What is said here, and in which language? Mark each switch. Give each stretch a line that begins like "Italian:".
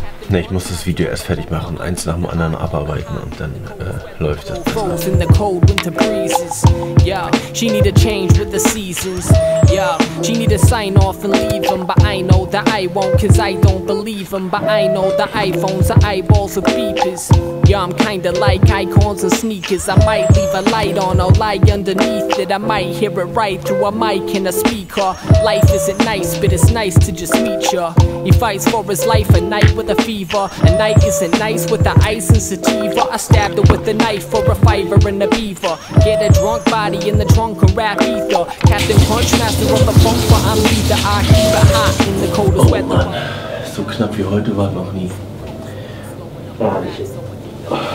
German: Ne, ich muss das Video erst fertig machen, eins nach dem anderen abarbeiten und dann läuft das.
English: In the cold winter breezes. Yeah, she need a change with the seasons. Yeah, she need to sign off and leave them, but I know that I won't, cause I don't believe them. But I know the iPhones, the eyeballs, the beepers. Yeah, I'm kinda like icons and sneakers. I might leave a light on or lie underneath it. I might hear it right through a mic and a speaker. Life isn't nice, but it's nice to just meet ya. He fights for his life at night with a fever. A night isn't nice with the ice and sativa. I stabbed her with a knife for a fiver and a beaver. Get a drunk body in the trunk of rap ether. Captain Crunch, master of the funk, but I'm leader. I keep it hot in the coldest oh, weather.
German: Mann. So knapp wie heute war noch nie. Oh.